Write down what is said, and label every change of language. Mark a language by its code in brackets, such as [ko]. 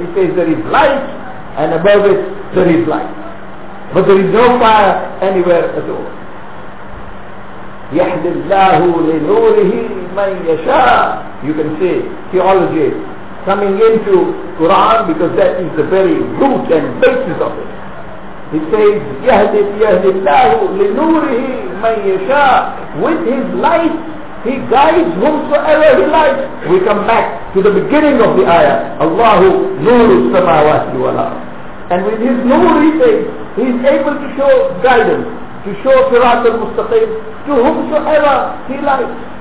[en] He says there is light and above it there is light, but there is no fire anywhere at all. [ar] يَحْدِ اللَّهُ لِنُورِهِ مَنْ يَشَاءُ. [en] You can say theology coming into Quran, because that is the very root and basis of it. It says [ar] يَهْدِ اللَّهُ لِنُورِهِ مَنْ يَشَاءُ. [en] With his light he guides whomsoever he likes. We come back to the beginning of the ayah, [ar] اللَّهُ نُورُ السَّمَاوَاتِ وَالْأَرْضِ. [en] And with his nur, he says, he is able to show guidance, to show Sirat al-Mustaqim to whomsoever he likes.